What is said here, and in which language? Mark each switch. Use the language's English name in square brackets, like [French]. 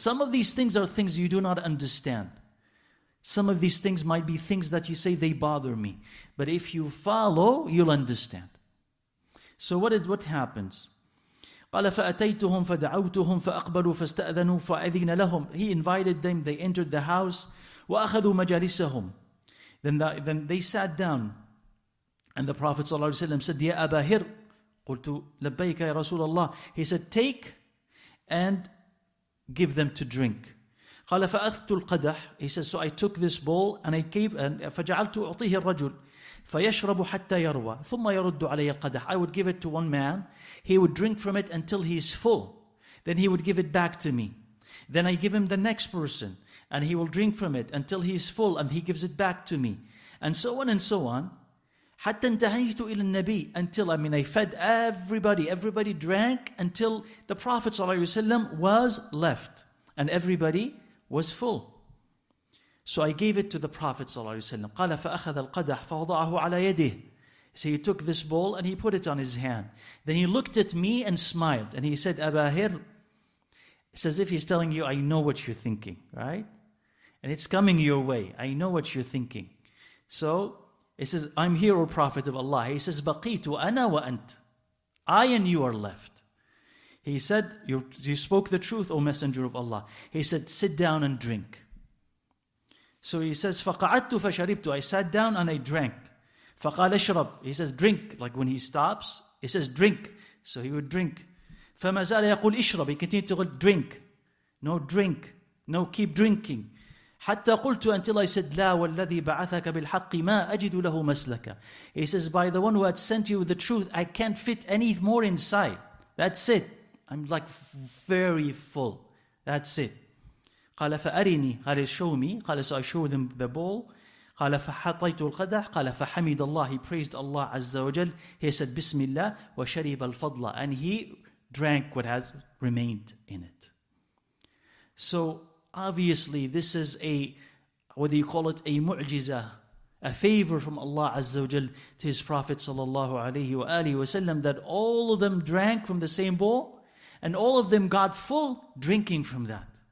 [English] Some of these things are things you do not understand. Some of these things might be things that you say, they bother me. But if you follow, you'll understand. So what happens? [Arabic] قَالَ فَأَتَيْتُهُمْ فَدَعَوْتُهُمْ فَأَقْبَلُوا فَاسْتَأْذَنُوا فَأَذِينَ لَهُمْ. [English] He invited them, they entered the house. [Arabic] وَأَخَذُوا مَجَالِسَهُمْ. [English] Then they sat down. And the Prophet ﷺ said, [Arabic] يَا أَبَا هِرْ قُلْتُ لَبَّيْكَ يَا رَسُولَ اللَّهِ. [English] He said, take and give them to drink. [Arabic] قَالَ فَأَخْتُ الْقَدَحِ. [English] He says, so I took this bowl and I gave, [Arabic] فَجَعَلْتُ أُعْطِيهِ الرَّجُلِ فَيَشْرَبُ حَتَّى يَرْوَى ثُمَّ يَرُدُّ عَلَيَّ الْقَدَحَ. [English] I would give it to one man. He would drink from it until he is full. Then he would give it back to me. Then I give him the next person. And he will drink from it until he is full. And he gives it back to me. And so on and so on. [Arabic] حَتَّى انْتَهَيْتُ إِلَى النَّبِيِّ. [English] Until, I mean, I fed everybody. Everybody drank until the Prophet ﷺ was left. And everybody was full. So I gave it to the Prophet ﷺ. [Arabic] قَالَ فَأَخَذَ الْقَدَحَ فَوَضَعَهُ عَلَى يَدِهِ. [English] So he took this bowl and he put it on his hand. Then he looked at me and smiled. And he said, أَبَاهِرْ. It's as if he's telling you, I know what you're thinking, right? And it's coming your way. I know what you're thinking. So he says, I'm here, O Prophet of Allah. He says, [Arabic] بَقِيتُ أَنَا وَأَنْتُ. [English] I and you are left. He said, you spoke the truth, O Messenger of Allah. He said, sit down and drink. So he says, [Arabic] فَقَعَدْتُ فَشَرِبْتُ. [English] I sat down and I drank. [Arabic] فَقَالَ اشْرَبْ. [English] He says, drink. Like when he stops, he says, drink. So he would drink. [Arabic] فَمَا زَالَ يَقُلْ اشْرَبْ. [English] He continued to go, drink. No, drink. No, keep drinking. [Arabic] حَتَّى قُلْتُ. [English] Until I said, [Arabic] لَا وَالَّذِي بَعَثَكَ بِالْحَقِّ مَا أَجِدُ لَهُ مَسْلَكَ. [English] He says, by the one who had sent you the truth, I can't fit any more inside. That's it. I'm like very full. That's it. [Arabic] قال فأرني. [English] قال show me. قال so I show them the bowl. [Arabic] قال فحطيت القدح. قال فحمد الله. [English] He praised Allah عز وجل. He said [Arabic] بسم الله وشرب الفضل. [English] And he drank what has remained in it. So obviously this is a, what do you call it, a mu'jiza, a favor from Allah عز وجل to His Prophet صلى الله عليه وآله وسلم, that all of them drank from the same bowl and all of them got full drinking from that.